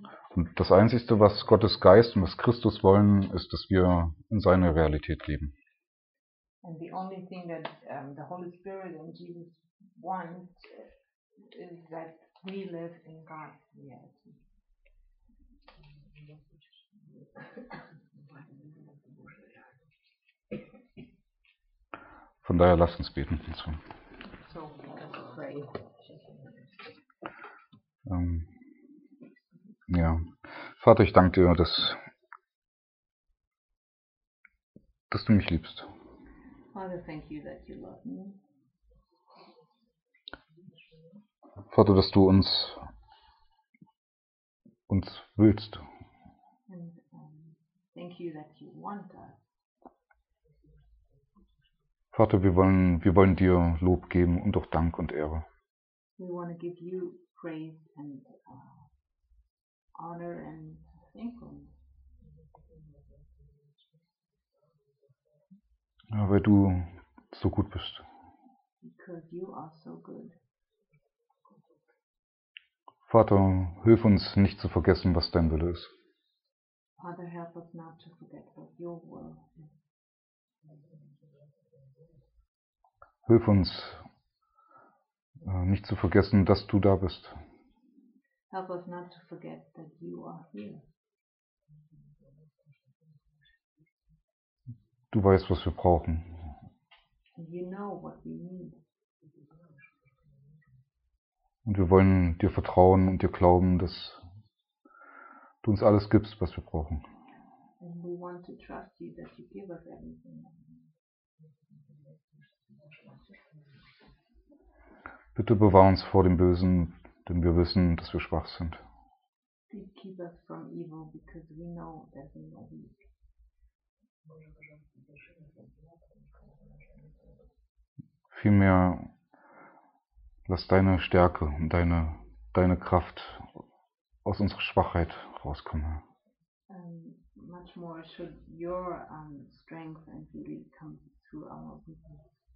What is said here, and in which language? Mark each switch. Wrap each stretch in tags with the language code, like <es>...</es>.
<de>Und das Einzige, was Gottes Geist und was Christus wollen, ist, dass wir in seine Realität leben.</de> <en>And the only thing that the Holy Spirit and Jesus want is that we live in God's reality.</en> <de>Von daher lasst uns beten. So, ja. Vater, ich danke dir, dass du mich liebst.</de> <en>Father, thank you that you love me.</en> <de>Vater, dass du uns willst.</de> <en>Thank you that you want us.</en> <de>Vater, wir wollen dir Lob geben und auch Dank und Ehre.</de> <en>We want to give you praise and honor and thankfulness.</en> <de>Ja, weil du so gut bist.</de> <en>Because you are so good.</en> <de>Vater, hilf uns nicht zu vergessen, was dein Wille ist.</de> <en>Father, help us not to forget what your will is.</en> <de>Hilf uns, nicht zu vergessen, dass du da bist.</de> <en>Help us not to forget that you are here.</en> <de>Du weißt, was wir brauchen.</de> <en>You know what we need.</en> <de>Und wir wollen dir vertrauen und dir glauben, dass du uns alles gibst, was wir brauchen.</de> <en>And we want to trust you that you give us everything.</en> <de>Bitte bewahr uns vor dem Bösen, denn wir wissen, dass wir schwach sind.</de> <en>Please keep us from evil, because we know that we are weak.</en> <de>Vielmehr lass deine Stärke und deine Kraft aus unserer Schwachheit rauskommen.</de> <en>Much more should your strength and beauty come through our weakness.</en>